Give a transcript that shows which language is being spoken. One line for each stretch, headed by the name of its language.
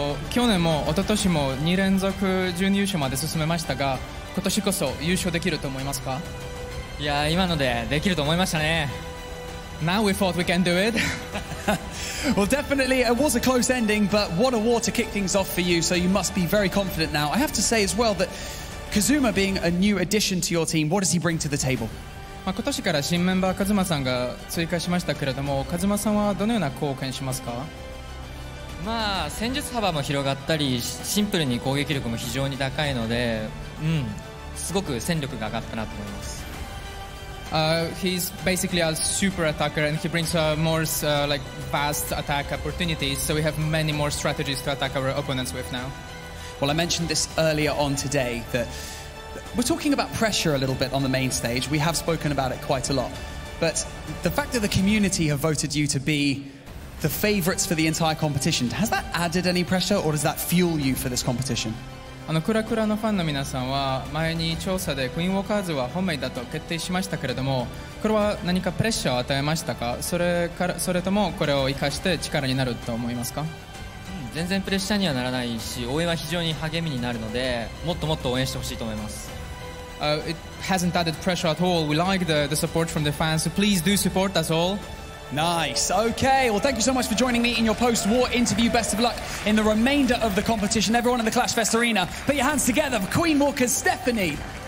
Japanese: 去年も一昨年も2連続準優勝まで進めましたが、今年こそ優勝できると思いますか？いや、今のでできると思いましたね。
English: Now we thought we can do it. Well, definitely, it was a close ending, but what a war to kick things off for you, so you must be very confident now. I have to say as well that Kazuma being a new addition to your team, what does he bring to the table?
Japanese: まあ、今年から新メンバーカズマさんが追加しましたけれども、カズマさんはどのような貢献しますか？まあ、戦術幅も広がったり、シンプルに攻撃力も非常に高いので、うん、すごく戦力が上がったなと思います。
English: He's basically a super attacker, and he brings a more like vast attack opportunities, so we have many more strategies to attack our opponents with now. Well, I mentioned this earlier on today, that we're talking about pressure a little bit on the main stage. We have spoken about it quite a lot. But the fact that the community have voted you to be the favorites for the entire competition, has that added any pressure, or does that fuel you for this competition?
Japanese: あのクラクラのファンの皆さんは前に調査でクイーンウォーカーズは本命だと決定しましたけれどもこれは何かプレッシャーを与えましたか？それともこれを生かして力になると思いますか？全然プレッシャーにはならないし応援は非常に励みになるのでもっともっと応援してほしいと思います。
English: It hasn't added pressure at all. We like the support from the fans, so please do support us all. Nice. Okay, well, thank you so much for joining me in your post-war interview. Best of luck in the remainder of the competition. Everyone in the Clash Fest Arena, put your hands together for Queen Walker's Stephanie.